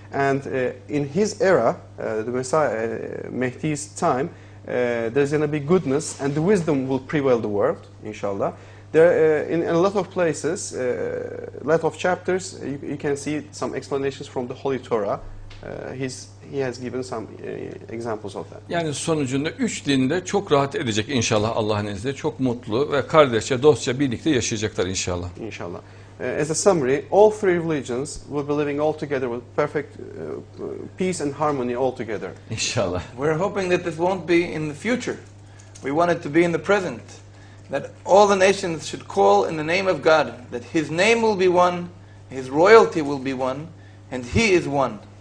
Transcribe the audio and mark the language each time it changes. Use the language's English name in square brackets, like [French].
[English] And in his era, the Messiah, Mehdi's time, there's going to be goodness and the wisdom will prevail the world, inshallah. There, in a lot of places, a lot of chapters, you can see some explanations from the Holy Torah. He has given some examples of that. [Turkish] Yani sonucunda üç dinde çok rahat edecek inşallah Allah'ın izniyle. Çok mutlu ve kardeşçe, dostça birlikte yaşayacaklar inşallah. İnşallah. [English] As a summary, all three religions will be living all together with perfect peace and harmony all together. [Turkish] İnşallah. [English] We're hoping that this won't be in the future. We want it to be in the present. That all the nations should call in the name of God. That His name will be one, His royalty will be one, and He is one.